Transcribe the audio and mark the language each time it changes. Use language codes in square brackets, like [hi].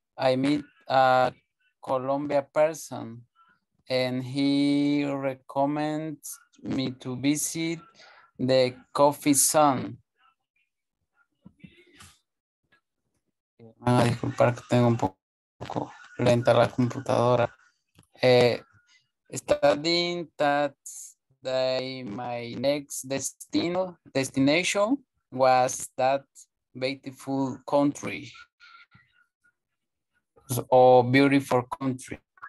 [en] I meet a Colombia person and he recommends me to visit the coffee sun. [es] Ah, disculpar que tengo un poco lenta la computadora. [en] Studying that day, my next destination was that beautiful country or beautiful country.